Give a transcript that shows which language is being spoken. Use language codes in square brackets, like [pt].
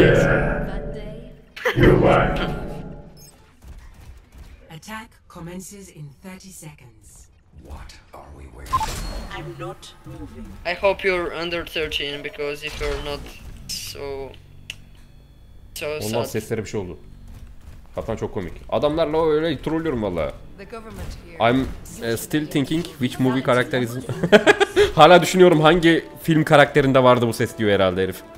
[en] Yeah. You like. Attack commences in 30 seconds. What are we waiting? I'm not moving. I hope you're under 13 because if you're not, so. [tr] Ondan sesleri bir şey oldu. Hatan çok komik. Adamlarla öyle trollüyorum vallahi. [en] I'm still thinking which movie character is. [tr] Hala düşünüyorum hangi film karakterinde vardı bu ses diyor herhalde herif.